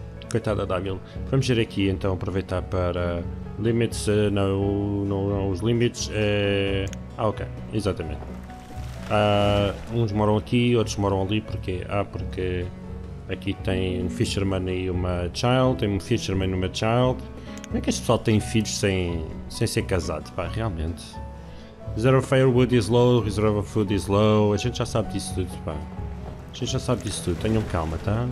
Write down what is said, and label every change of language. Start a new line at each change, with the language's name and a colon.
Portuguese: Coitada da Amil. Vamos ver aqui então, aproveitar para limits, não os limites, ok, exatamente. Uns moram aqui, outros moram ali, porque porque aqui tem um fisherman e uma child, tem um fisherman e uma child. Como é que este pessoal tem filhos sem ser casado, pá, realmente?
English: Reserve firewood is low, reserve food is low.
Portuguese: A gente já sabe disso tudo, pá. A gente já sabe disso tudo. Tenham calma, tá?